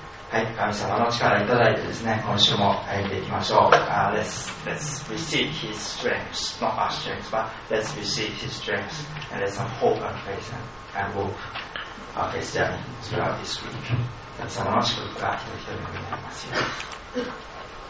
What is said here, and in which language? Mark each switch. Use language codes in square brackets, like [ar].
[ja] はい、神様の力をいただいてですね、今週も歩んでいきましょう。 [en] Let's receive His strength, not our strength, but let's receive His strength and let's have hope and faith and move our faith journey throughout this week. [ja] 神様の祝福が一人一人になりますよ。